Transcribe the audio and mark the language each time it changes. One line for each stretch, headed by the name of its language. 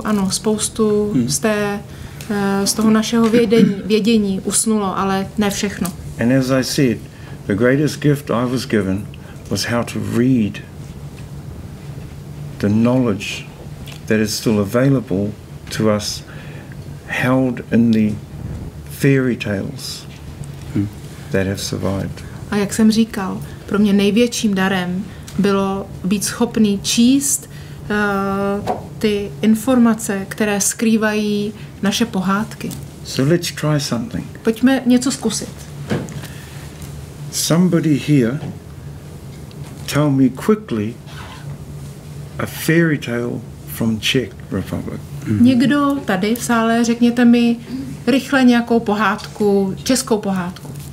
Czech: Spoustu z té, z toho našeho vědění usnulo, ale ne všechno.
English: And as I said, the greatest gift I was given was how to read the knowledge that is still available to us held in the fairy tales that have survived.
Czech: A jak jsem říkal, pro mě největším darem bylo být schopný číst ty informace, které skrývají naše pohádky.
English: So let's try something.
Czech: Pojďme něco zkusit.
English: Somebody here, tell me quickly a fairy tale from Czech Republic.
Czech: Někdo tady v sále, řekněte mi rychle nějakou pohádku, českou pohádku.